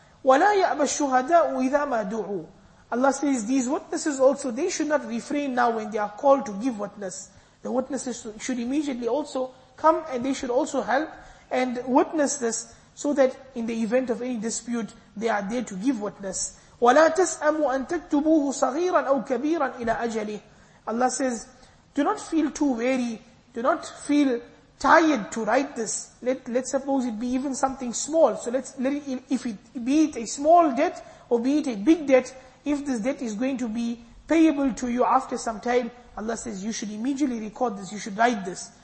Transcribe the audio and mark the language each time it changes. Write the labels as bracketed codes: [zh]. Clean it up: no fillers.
[ar] وَلَا يَأْبَ الشُّهَدَاءُ إِذَا مَا دُعُوا. [en] Allah says, these witnesses also, they should not refrain now when they are called to give witness. The witnesses should immediately also come and they should also help and witness this, so that in the event of any dispute, they are there to give witness. [ar] وَلَا تَسْأَمُوا أَن تَكْتُبُوهُ صَغِيرًا أَوْ كَبِيرًا إِلَىٰ أَجَلِهِ. [en] Allah says, do not feel too weary, do not feel tired to write this. Let's suppose it be even something small. So let it be a small debt or be it a big debt, if this debt is going to be payable to you after some time, Allah says, you should immediately record this, you should write this.